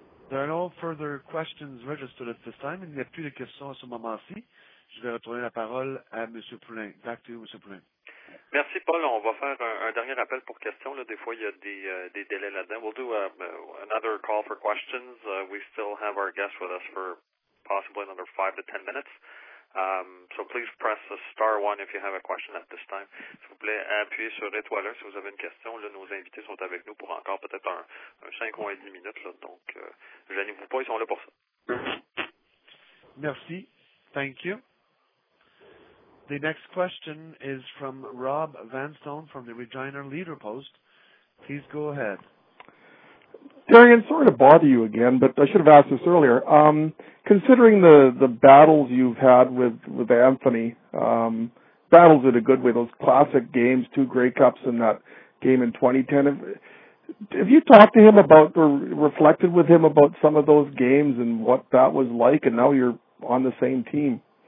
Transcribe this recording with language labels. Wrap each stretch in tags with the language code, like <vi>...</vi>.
<en>There are no further questions registered at this time.</en> <fr>Il n'y a plus de questions à ce moment-ci. Je vais retourner la parole à M. Poulin.</fr> <en>Back to you, M. Poulin.</en> <fr>Merci, Paul. On va faire un dernier appel pour questions. Là, des fois, il y a des délais là-dedans.</fr> <en>We'll do another call for questions. We still have our guests with us for possibly another 5 to 10 minutes. So please press the *1 if you have a question at this time.</en> <fr>S'il vous plaît, appuyez sur *1 si vous avez une question. Là, nos invités sont avec nous pour encore peut-être un 5 ou un 10 minutes. Là, donc, gênez-vous pas, ils sont là pour ça. Merci.</fr> <en>Thank you. The next question is from Rob Vanstone from the Regina Leader Post. Please go ahead. Darien, sorry to bother you again, but I should have asked this earlier. Considering the battles you've had with Anthony, battles in a good way, those classic games, two Grey Cups and that game in 2010, have you talked to him about or reflected with him about some of those games and what that was like, and now you're on the same team?</en>